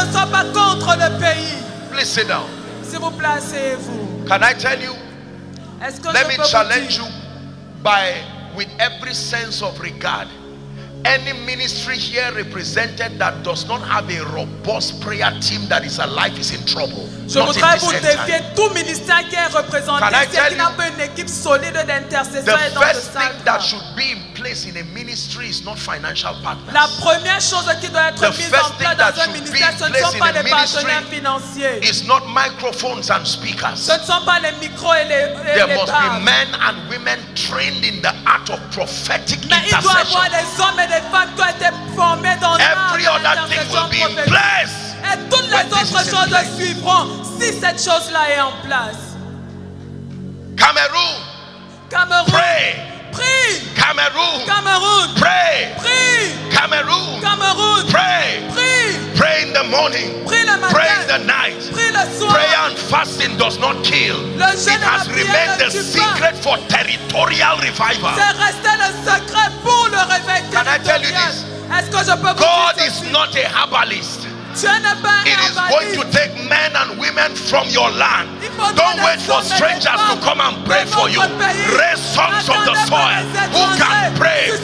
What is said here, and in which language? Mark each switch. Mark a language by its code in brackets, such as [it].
[en] Please sit down. Can I tell you? Let me challenge you by with every sense of regard, any ministry here represented that does not have a robust prayer team that is alive is in trouble. [fr] Je voudrais vous défier tout ministère qui est représenté ici qui n'a pas une équipe solide d'intercesseurs dans le salon. [en] The first thing that should be in place in a ministry is not financial partners. [fr] La première chose qui doit être mise en place dans un ministère, ce ne sont pas les partenaires financiers. [en] It's not microphones and speakers. [fr] Ce ne sont pas les micros et les [en] There must be men and women trained in the art of prophetic intercession. [fr] Mais il doit y avoir des hommes et des femmes qui ont été formés dans l'art d'intercession prophétique. [en] Every other thing will be in place. [fr] Et toutes les autres choses suivront si cette chose-là est en place. Cameroun. Cameroun. [en] Pray. [fr] Prie. Cameroun. Cameroun. [en] Pray. [fr] Prie. Cameroun. Cameroun. [en] Pray. [fr] Prie. [en] Pray in the morning. [fr] Prie le matin. [en] Pray in the night. [fr] Prie le soir. [en] Prayer and fasting does not kill. [fr] Le jeûne [en] it has remained the secret for territorial revival. [fr] C'est resté le secret pour le réveil territorial. [en] Can I tell you this? [fr] Est-ce que je peux vous [en] God [fr] dire [en] is not a herbalist. It is going to take men and women from your land. Don't wait for strangers to come and pray for you. Raise sons of the soil who can pray.